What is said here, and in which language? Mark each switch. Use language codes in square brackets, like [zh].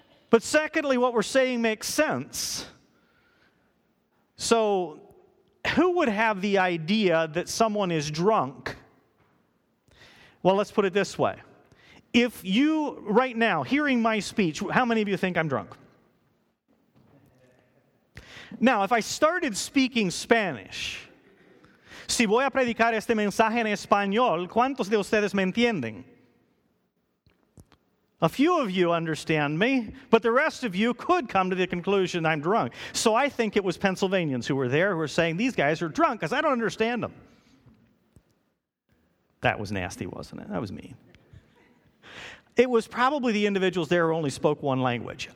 [en] But secondly, what we're saying makes sense. So, who would have the idea that someone is drunk? Well, let's put it this way. If you, right now, hearing my speech, how many of you think I'm drunk? Now, if I started speaking Spanish, [es] si voy a predicar este mensaje en español, ¿cuántos de ustedes me entienden? [en] A few of you understand me, but the rest of you could come to the conclusion I'm drunk. So I think it was Pennsylvanians who were there who were saying, these guys are drunk because I don't understand them. That was nasty, wasn't it? That was mean. It was probably the individuals there who only spoke one language.